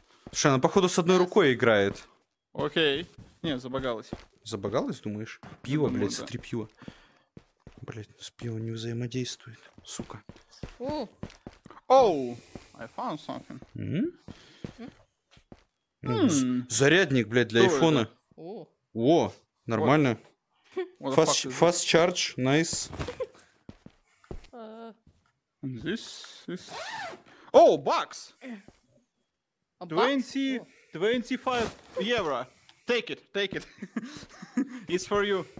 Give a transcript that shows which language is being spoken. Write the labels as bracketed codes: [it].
[ru] Слушай, она походу с одной рукой играет. Окей. Не, забагалась. Забагалась, думаешь? Пиво, блядь, смотри, пиво. Блядь, с пивом не взаимодействует, сука. Оу, [en] I found something. [ru] Зарядник, блядь, для айфона. О, нормально. [en] Fast charge, nice. This is... Oh, bucks! 25 euro. Take it. It's for you.